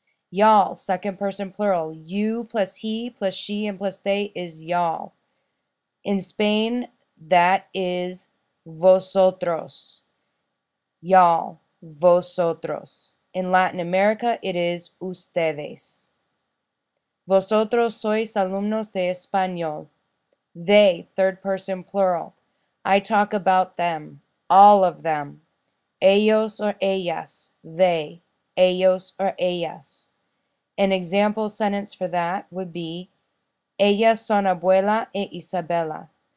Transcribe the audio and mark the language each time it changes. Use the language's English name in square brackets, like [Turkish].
[English] Y'all, second person plural, you plus he plus she and plus they is y'all. In Spain, that is vosotros, y'all, vosotros. In Latin America, it is ustedes. [Spanish] Vosotros sois alumnos de español. [English] They, third person plural. I talk about them, all of them. Ellos or ellas, they. Ellos or ellas. An example sentence for that would be, [Spanish] ellas son abuela e Isabella.